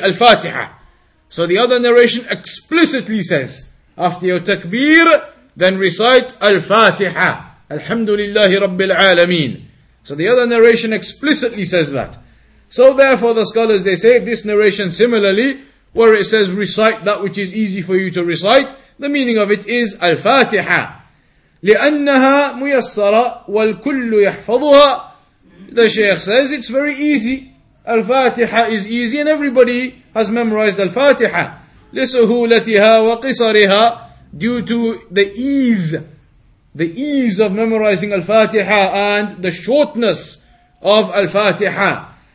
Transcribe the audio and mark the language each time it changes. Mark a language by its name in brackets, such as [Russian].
[English] Al-Fatiha. So the other narration explicitly says, after your takbir, then recite Al-Fatiha. [Arabic] Alhamdulillahi Rabbil Alameen. [English] So the other narration explicitly says that. So therefore the scholars, they say, this narration similarly, where it says recite that which is easy for you to recite, the meaning of it is Al-Fatiha. [Arabic] لأنها ميسرة والكل يحفظها. [English] The Shaykh says it's very easy. Al-Fatiha is easy and everybody has memorized Al-Fatiha. [Arabic] لسهولتها وقصرها. [English] Due to the ease of memorizing Al-Fatiha and the shortness of Al-Fatiha.